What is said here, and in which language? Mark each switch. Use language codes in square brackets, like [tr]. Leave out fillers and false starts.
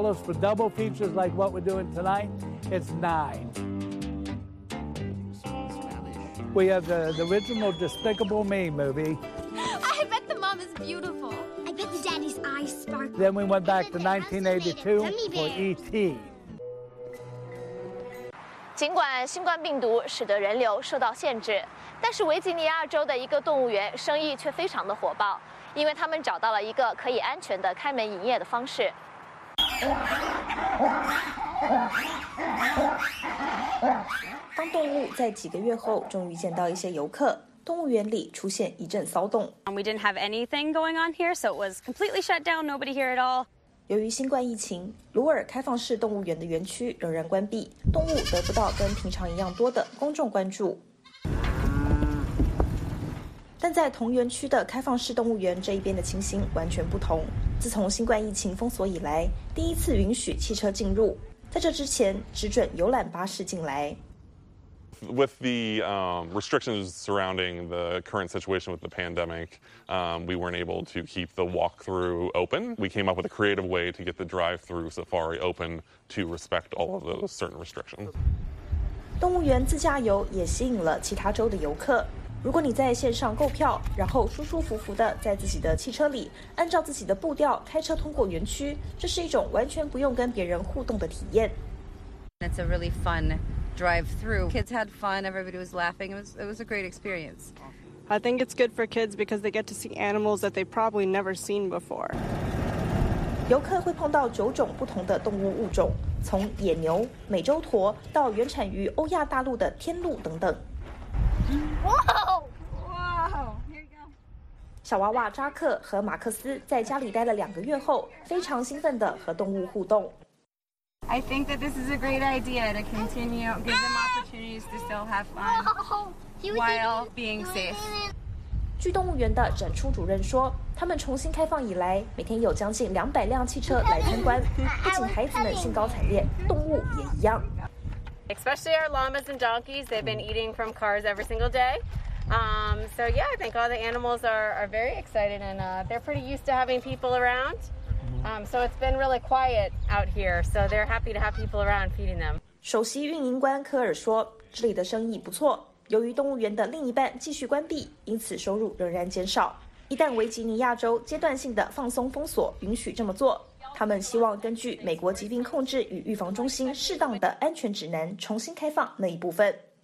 [en] For double features like what we're doing tonight, it's $9. We have the original Despicable Me movie. I bet the mom is beautiful. I bet the daddy's eyes sparkle. Then we went back to 1982 for E.T. [zh] 尽管新冠病毒使得人流受到限制，但是维吉尼亚州的一个动物园生意却非常的火爆，因为他们找到了一个可以安全的开门营业的方式。当动物在几个月后终于见到一些游客，动物园里出现一阵骚动。 [en] We didn't have anything going on here, so it was completely shut down, nobody here at all. [zh] 由于新冠疫情，鲁尔开放式动物园的园区仍然关闭，动物得不到跟平常一样多的公众关注。但在同园区的开放式动物园这一边的情形完全不同。自从新冠疫情封锁以来，第一次允许汽车进入，在这之前只准游览巴士进来。 [en] With the restrictions surrounding the current situation with the pandemic, we weren't able to keep the walkthrough open. We came up with a creative way to get the drive-through safari open to respect all of those certain restrictions. [zh] 动物园自驾游也吸引了其他州的游客。如果你在线上购票，然后舒舒服服的在自己的汽车里，按照自己的步调开车通过园区，这是一种完全不用跟别人互动的体验。 [en] It's a really fun. Drive through. Kids had fun. Everybody was laughing. It was a great experience. I think it's good for kids because they get to see animals that they've probably never seen before. [zh] 游客会碰到九种不同的动物物种，从野牛、美洲驼到原产于欧亚大陆的天鹿等等。 Whoa! [en] Whoa! Here you go. [zh] 小娃娃扎克和马克思在家里待了两个月后，非常兴奋地和动物互动。 [en] I think that this is a great idea to continue, give them opportunities to still have fun while being safe. [zh] 据动物园的展出主任说，他们重新开放以来，每天有将近200辆汽车来参观，不仅孩子们兴高采烈，动物也一样。 [en] Especially our llamas and donkeys, they've been eating from cars every single day. I think all the animals are very excited and they're pretty used to having people around. So it's been really quiet out here, so they're happy to have people around feeding them. [zh] 首席运营官科尔说，这里的生意不错，由于动物园的另一半继续关闭，因此收入仍然减少。一旦维吉尼亚州阶段性的放松封锁允许这么做，他们希望根据美国疾病控制与预防中心适当的安全指南重新开放那一部分。